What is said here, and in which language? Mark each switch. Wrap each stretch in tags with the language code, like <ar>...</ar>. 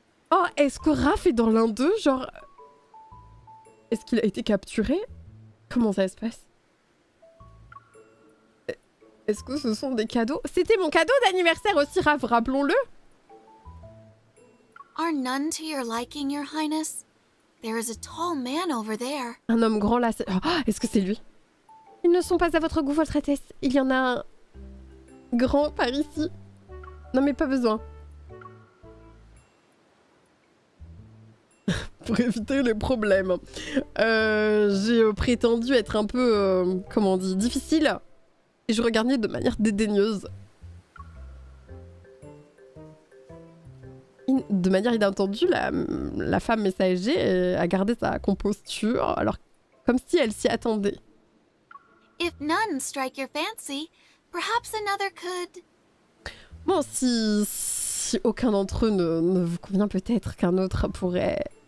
<fr>Oh, est-ce que Raph est dans l'un d'eux, genre? Est-ce qu'il a été capturé? Comment ça se passe? Est-ce que ce sont des cadeaux? C'était mon cadeau d'anniversaire aussi, Raph, rappelons-le.</fr> <en>Are none to your liking, Your Highness? There is a tall man over there.</en> <fr>Un homme grand là, c'est... Oh, est-ce que c'est lui? Ils ne sont pas à votre goût, votre Altesse. Il y en a un grand par ici. Non mais pas besoin. Pour éviter les problèmes. J'ai prétendu être un peu, comment on dit, difficile. Et je regardais de manière dédaigneuse. De manière inattendue, la femme messager a gardé sa composture, alors comme si elle s'y attendait.</fr> <en>If none strike your fancy, perhaps another could.</en> <fr>Bon, si aucun d'entre eux ne vous convient, peut-être qu'un autre pourrait...</fr>